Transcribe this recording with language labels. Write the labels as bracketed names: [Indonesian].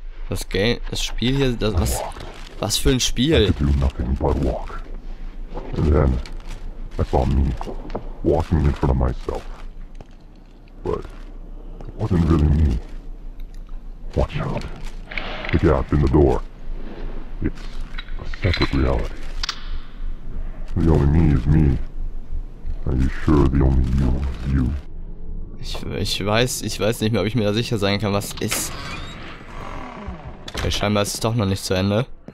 [German] Das Game, das Spiel hier, das, was, was für ein Spiel? [English] I could do nothing but walk. And then, I saw me walking in front of myself. But, it wasn't really me. Watch out. The gap in the door. It's a separate reality. The only me is me. Are you sure the only you is you? [German] Ich weiß nicht mehr, ob ich mir da sicher sein kann, was ist. Okay, scheinbar ist es doch noch nicht zu Ende.